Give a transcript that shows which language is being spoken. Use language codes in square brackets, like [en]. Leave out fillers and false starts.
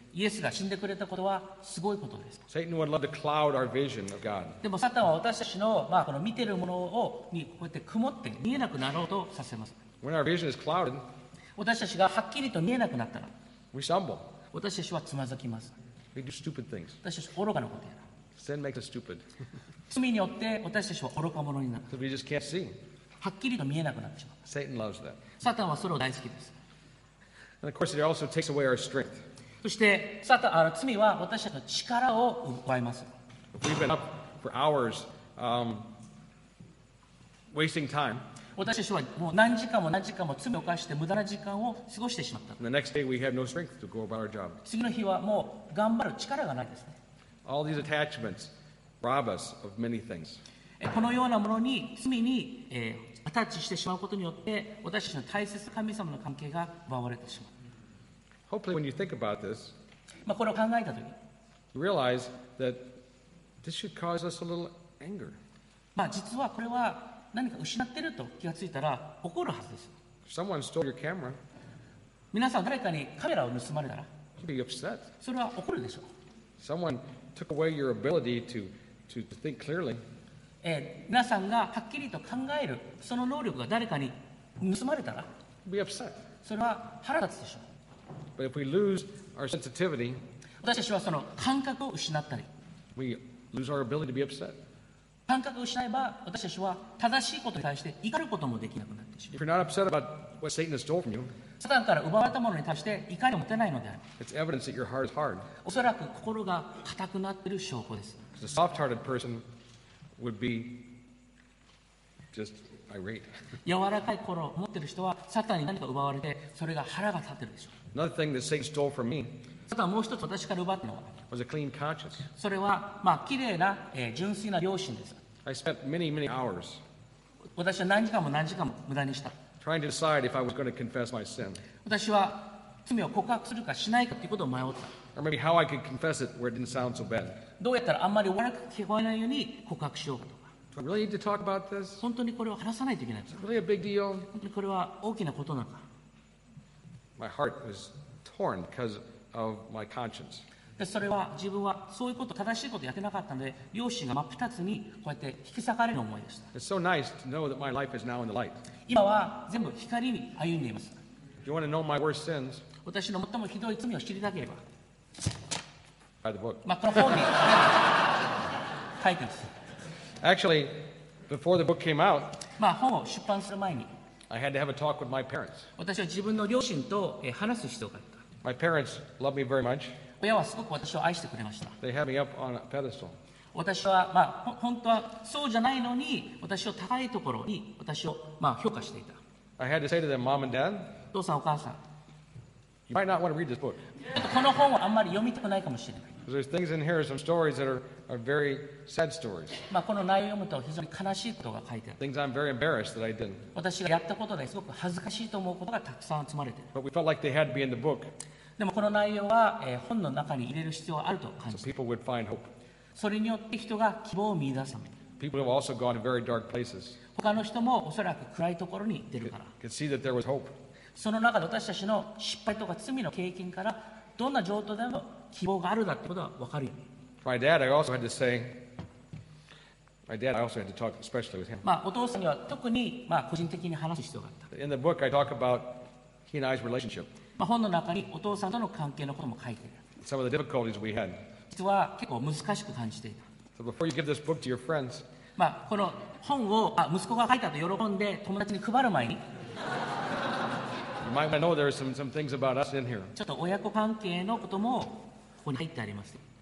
[ja] イエスが死んでくれたことはすごいことです。 [en] Satan would love to cloud our vision of God. [ja] でもサタンは私たちの、この見ているものをにこうやって曇って見えなくなろうとさせます。 [en] When our vision is clouded, [ja] 私たちがはっきりと見えなくなったら、 [en] we stumble. [ja] 私たちはつまずきます。 [en] We do stupid things. [ja] 私たちは愚かなことやる。 [en] Sin makes us stupid. [ja] 罪によって私たちは愚か者になる。 [en] So we just can't see. [ja] はっきりと見えなくなってしまう。 [en] Satan loves that. [ja] サタンはそれを大好きです。 [en] And of course, it also takes away our strength. [ja] そして罪は私たちの力を奪います。 [en] We've been up for hours, wasting time. [ja] 私たちはもう何時間も何時間も罪を犯して無駄な時間を過ごしてしまった。 [en] The next day we have no strength to go about our job. [ja] 次の日はもう頑張る力がないですね。 [en] All these attachments rob us of many things. [ja] このようなものに罪に、アタッチしてしまうことによって私たちの大切な神様の関係が奪われてしまう。 [en] Hopefully, when you think about this, [ja] これを考えた時、 [en] you realize that this should cause us a little anger. [ja] 実はこれは何か失ってると気がついたら怒るはずです。 [en] Someone stole your camera. [ja] 皆さん誰かにカメラを盗まれたら、 [en] you'd be upset. [ja] それは怒るでしょう。 [en] Someone took away your ability to think clearly. [ja] 皆さんがはっきりと考えるその能力が誰かに盗まれたら、 [en] you'd be upset. [ja] それは腹立つでしょう。 [en] But if we lose our sensitivity, [ja] 私たちはその感覚を失ったり、 [en] we lose our ability to be upset. [ja] 感覚を失えば、私たちは正しいことに対して怒ることもできなくなってしまう。 [en] If you're not upset about what Satan has stolen from you, [ja] サタンから奪われたものに対して怒りを持てないのである。 [en] It's evidence that your heart is hard. [ja] おそらく心が硬くなっている証拠です。 [en] Because a soft-hearted person would be just irate. [ja] 柔らかい心を持っている人は、サタンに何か奪われて、それが腹が立っているでしょう。 [en] Another thing that Satan stole from me was a clean conscience. [ja] それは綺麗な純粋な良心です。 [en] I spent many, many hours [ja] 私は何時間も何時間も無駄にした。 [en] Trying to decide if I was going to confess my sin. [ja] 私は罪を告白するかしないかということを迷った。 [en] Or maybe how I could confess it where it didn't sound so bad. [ja] どうやったらあんまり悪く聞こえないように告白しようかとか。 [en] Do I really need to talk about this? [ja] 本当にこれを話さないといけないんです [en] か?Really a big deal? [ja] 本当にこれは大きなことなのか。 [en] My heart was torn because of my conscience. [ja] で、それは自分はそういうこと、正しいことやってなかったので、両親が真っ二つにこうやって引き裂かれる思いでした。 [en] It's so nice to know that my life is now in the light. [ja] 今は全部光に歩んでいます。 [en] You want to know my worst sins? [ja] 私の最もひどい罪を知りたければ。 [en] By the book. [ja] この本に書いてます。 [en] Actually, before the book came out, [ja] 本を出版する前に、 [en] I had to have a talk with my parents. [ja] 私は自分の両親と話す必要があった。 [en] My parents loved me very much. [ja] 親はすごく私を愛してくれました。 [en] They had me up on a pedestal. [ja] 私は、まあ、本当はそうじゃないのに、私を高いところに私を、まあ、評価していた。 [en] I had to say to them, Mom and Dad, [ja] 父さん、お母さん、 [en] You might not want to read this book. [ja] この本はあんまり読みたくないかもしれない。 [en] Because there's things in here, some stories that are very sad stories. [ja] まあこの内容を読むと非常に悲しいことが書いてある。 [en] Things I'm very embarrassed that I didn't. [ja] 私がやったことですごく恥ずかしいと思うことがたくさん詰まれてる。 [en] But we felt like they had to be in the book. [ja] でもこの内容は、本の中に入れる必要があると感じ [en] る。So people would find hope. [ja] それによって人が希望を見出すため。 [en] People have also gone to very dark places. [ja] 他の人もおそらく暗いところに出るから。 [en] Could see that there was hope. [ja] その中で私たちの失敗とか罪の経験からどんな状況でも希望があるんだってことは分かるよね。 [en] My dad, I also had to say, my dad, I also had to talk especially with him. [ja] まあお父さんには特にまあ個人的に話す必要があった。 [en] In the book, I talk about he and I's relationship. [ja] まあ本の中にお父さんとの関係のことも書いてる。 [en] Some of the difficulties we had. [ja] 実は結構難しく感じていた。 [en] So before you give this book to your friends, [ja] まあこの本を息子が書いたと喜んで友達に配る前に。 [en] You might know there are some things about us in here. [ja] ちょっと親子関係のこともここに入ってあります。